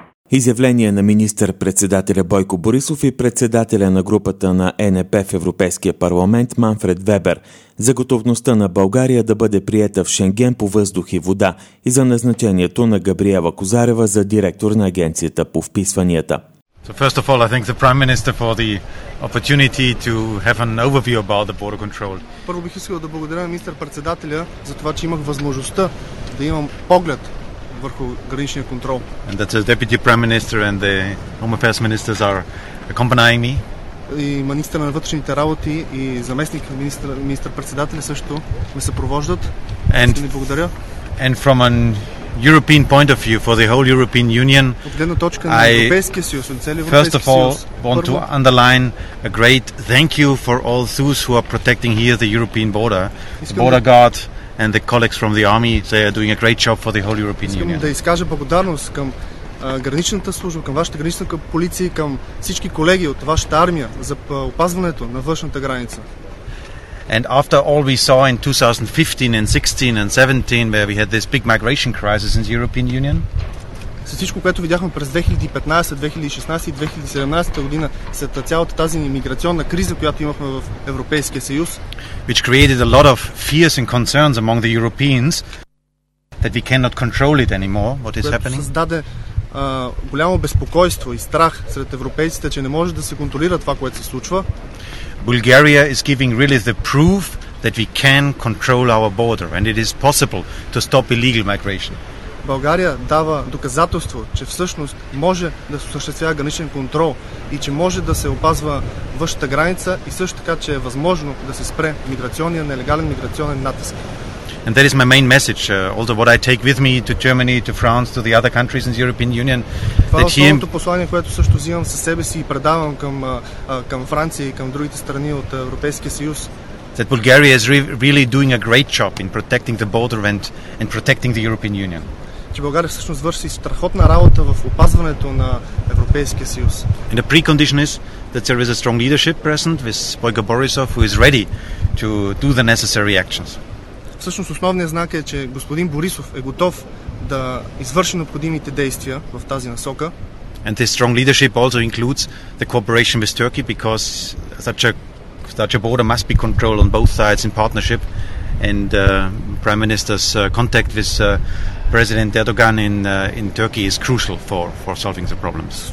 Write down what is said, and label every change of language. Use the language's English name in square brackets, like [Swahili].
[Bulgarian] Изявление на министър-председателя Бойко Борисов и председателя на групата на ЕНП в Европейския парламент Манфред Вебер за готовността на България да бъде приета в Шенген по въздух и вода и за назначението на Габриела Козарева за директор на агенцията по вписванията. [English] So first of all, I thank the Prime Minister for the opportunity to have an overview about the border control. [Bulgarian] Първо бих искал да благодаря на министър-председателя за това, че имах възможността да имам поглед върху граничния контрол. [English] And that the Deputy Prime Minister and the Home Affairs Ministers are accompanying me. [Bulgarian] И министър на вътрешните работи и заместник министър-председателя също ме съпровождат. [English] And [Bulgarian] ми благодаря. [English] And from an European point of view, for the whole European Union, I first of all want to underline a great thank you for all those who are protecting here the European border, the border guard and the colleagues from the army. They are doing a great job for the whole European Union. [Bulgarian] Искам да изкажа благодарност към граничната служба, към вашата гранична полиция, към всички колеги от вашата армия за опазването на външната граница. [English] And after all we saw in 2015 and 16 and 17 where we had this big migration crisis in the European Union. [Bulgarian] С всичко, което видяхме през 2015, 2016 и 2017 година, след цялата тази миграционна криза, която имахме в Европейския съюз, [English] which created a lot of fears and concerns among the Europeans that we cannot control it anymore, what is happening. [Bulgarian] Създаде голямо безпокойство и страх сред европейците, че не може да се контролира това, което се случва. [English] Bulgaria is giving really the proof that we can control our border and it is possible to stop illegal migration. [Bulgarian] България дава доказателство, че всъщност може да се осъществява граничен контрол и че може да се опазва външната граница и също така, че е възможно да се спре миграционния, нелегален миграционен натиск. [English] And that is my main message, although what I take with me to Germany, to France, to the other countries in the European Union. [Bulgarian] Това е основното послание, което също взимам със себе си и предавам към Франция и към другите страни от Европейския съюз. [English] That Bulgaria is really doing a great job in protecting the border and protecting the European Union. [Bulgarian] Че България всъщност върши страхотна работа в опазването на Европейския съюз. [English] And the precondition is that there is a strong leadership present with Bojko Borisov who is ready to do the necessary actions. [Bulgarian] Всъщност основният знак е, че господин Борисов е готов да извърши необходимите действия в тази насока. [English] And this strong leadership also includes the cooperation with Turkey because such a border must be controlled on both sides in partnership and Prime Minister's contact with President Erdogan in Turkey is crucial for solving the problems.